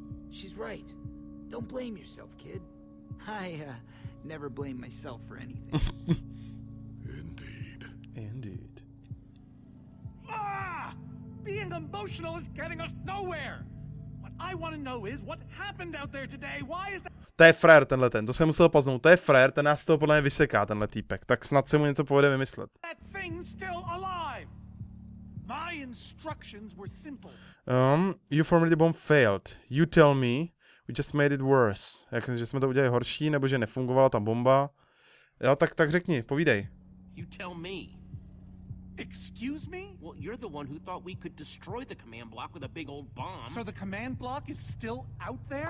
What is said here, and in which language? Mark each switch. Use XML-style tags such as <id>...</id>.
<en>She's right. Don't blame yourself, kid. I never blame myself for anything. Indeed. Indeed. Ah! Being emotional is getting us nowhere! What I want to know is what happened out there today, why is that...</en> <cs>To je frér tenhle ten, to jsem musel poznout, to je frér, ten nás z toho podle mě vyseká, tenhle týpek, tak snad se mu něco povede vymyslet.</cs> <en>That thing's still alive! My instructions were simple. You formerly bomb failed. You tell me. We just made it worse.</en> <cs>Jakže jsme to udělali horší, nebo že nefungovala ta bomba. Jo, tak řekni, povídej.</cs> <en>You tell me. Excuse me? Well, you're the one who thought we could destroy the command block with a big old bomb. So the command block is still out there?</en>